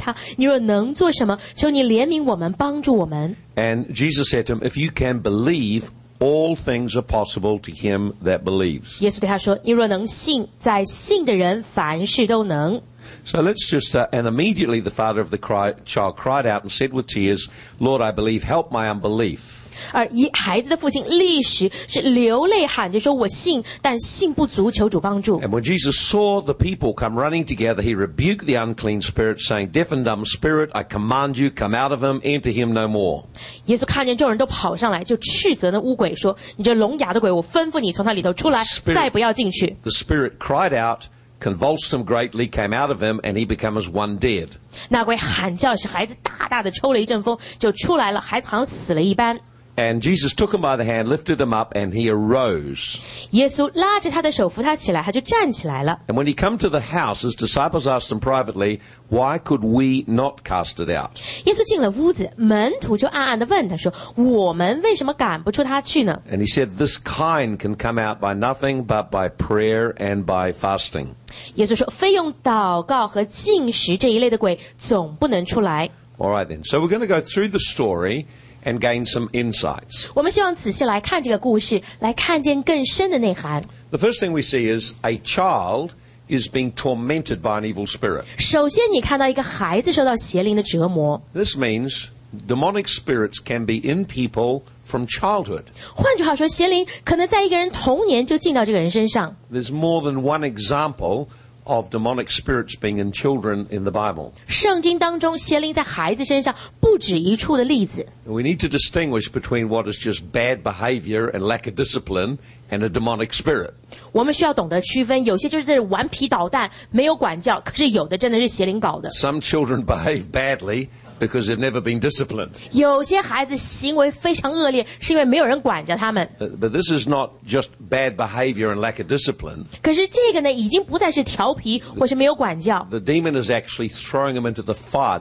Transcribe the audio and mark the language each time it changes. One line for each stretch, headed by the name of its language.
Chinese: 鬼屡次把他扔在水里火里要灭他，你若能做什么，求你怜悯我们，帮助我们。
English: And Jesus said to him, "If you can believe, all things are possible to him that believes."
Chinese: 耶稣对他说，你若能信，在信的人凡事都能。
English: So let's just, and immediately the father of the child cried out and said with tears, "Lord, I believe, help my unbelief."
Chinese: 而孩子的父亲立时是流泪喊着说，我信，但信不足，求主帮助。
English: And when Jesus saw the people come running together, he rebuked the unclean spirit, saying, "Deaf and dumb spirit, I command you, come out of him, enter him no more."
Chinese: 耶稣看见众人都跑上来，就斥责那乌鬼说，你这聋哑的鬼，我吩咐你从他里头出来，再不要进去。
English: The spirit cried out, convulsed him greatly, came out of him, and he became as one dead.
Chinese: 那鬼喊叫，使孩子大大的抽了一阵风，就出来了，孩子好像死了一般。
English: And Jesus took him by the hand, lifted him up, and he arose.
Chinese: 耶稣拉着他的手扶他起来，他就站起来了。
English: And when he came to the house, his disciples asked him privately, why could we not cast it out?
Chinese: 耶稣进了屋子，门徒就暗暗地问他说，我们为什么赶不出他去呢？
English: And he said, this kind can come out by nothing but by prayer and by fasting.
Chinese: 耶稣说，非用祷告和禁食这一类的鬼，总不能出来。
English: All right then, so we're going to go through the story and gain some insights.
Chinese: 我们希望仔细来看这个故事，来看见更深的内涵。
English: The first thing we see is a child is being tormented by an evil spirit.
Chinese: 首先你看到一个孩子受到邪灵的折磨。
English: This means demonic spirits can be in people from childhood.
Chinese: 换句话说，邪灵可能在一个人童年就进到这个人身上。
English: There's more than one example of demonic spirits being in children in the Bible.
Chinese: 圣经当中邪灵在孩子身上不止一处的例子。
English: We need to distinguish between what is just bad behavior and lack of discipline and a demonic spirit.
Chinese: 我们需要懂得区分，有些就是这是顽皮捣蛋，没有管教，可是有的真的是邪灵搞的。
English: Some children behave badly because they've never been disciplined.
Chinese: 有些孩子行为非常恶劣，是因为没有人管教他们。
English: But this is not just bad behavior and lack of discipline.
Chinese: 可是这个呢，已经不再是调皮或是没有管教。
English: The demon is actually throwing them into the fire.